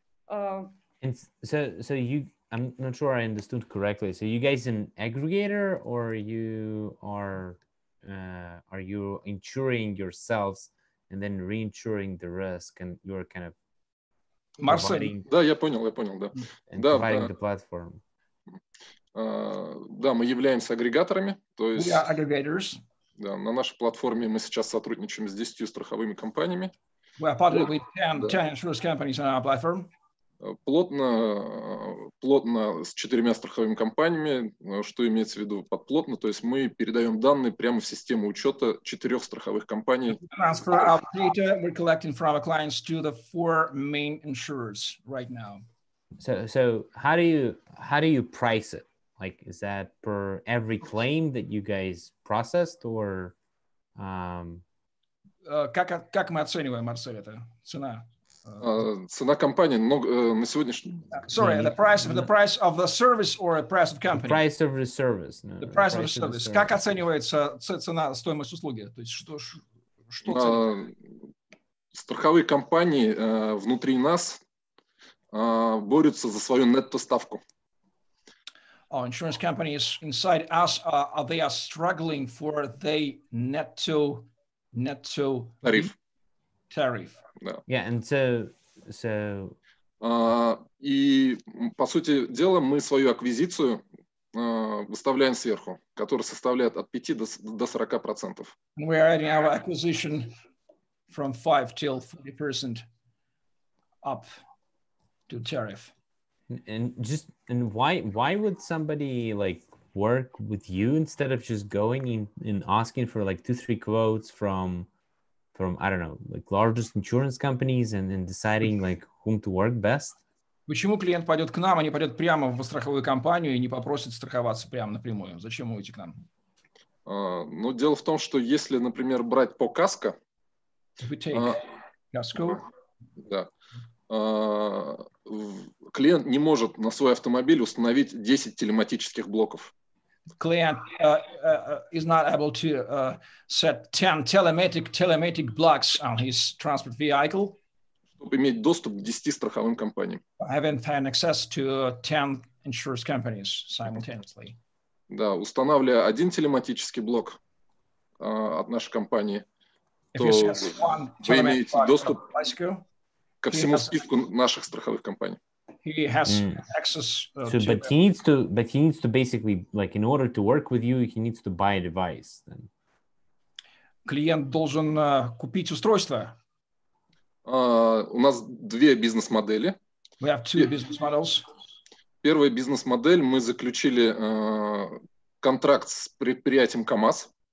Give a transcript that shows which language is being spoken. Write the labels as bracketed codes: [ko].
[en] And so you, I'm not sure I understood correctly. So you guys an aggregator, or you are you insuring yourselves and then reinsuring the risk, and you're kind of [ru] Marcel? Да, я понял, да. [en] And да, providing the platform. [ru] Да, мы являемся агрегаторами, то есть. [en] We are aggregators. [ru] Да, на нашей платформе мы сейчас сотрудничаем с 10 страховыми компаниями. [en] We are partnered with 10 insurance companies on our platform. [ru] Плотно с четырьмя страховыми компаниями, что имеется в виду под плотно, то есть мы передаем данные прямо в систему учета четырех страховых компаний. [en] Transfer of data we're collecting from our clients to the four main insurers right now. So how do you price it? Like, is that per every claim that you guys processed, or [ru] как мы оцениваем, Марсель, это цена? Цена компании на сегодняшний. [en] Sorry, the price of the service or the price of company. The price of the service. No, the price of the service. [ru] Как оценивается цена, стоимость услуги? То есть что оценивается? Страховые компании внутри нас борются за свою нетто ставку. [en] insurance companies inside us, they are struggling for their net to tariff. Yeah, and so. [ru] И по сути дела мы свою аквизицию выставляем сверху, которая составляет от 5 до 40%. [en] We are adding our acquisition from 5 till 40% up to tariff. And why would somebody like work with you instead of just going in and asking for like 2-3 quotes from I don't know, like largest insurance companies and deciding like whom to work best? [ru] Почему клиент пойдет к нам, а не пойдет прямо в страховую компанию и не попросит страховаться прямо напрямую? Зачем ему идти к нам? Ну, дело в том, что если, например, брать по КАСКО, клиент не может на свой автомобиль установить 10 телематических блоков. [en] Client is not able to set 10 telematic blocks on his transport vehicle. [ru] Чтобы иметь доступ к 10 страховым компаниям. [en] Having had access to 10 insurance companies simultaneously. [ru] Да, устанавливая один телематический блок от нашей компании, то вы имеете доступ ко всему списку наших страховых компаний. [en] He has access to but them. he needs to basically, like, in order to work with you, he needs to buy a device then. [ru] Клиент должен купить устройство. У нас две бизнес-модели. [en] We have two business models. [ru] Первая бизнес-модель, мы заключили контракт с предприятием КАМАЗ.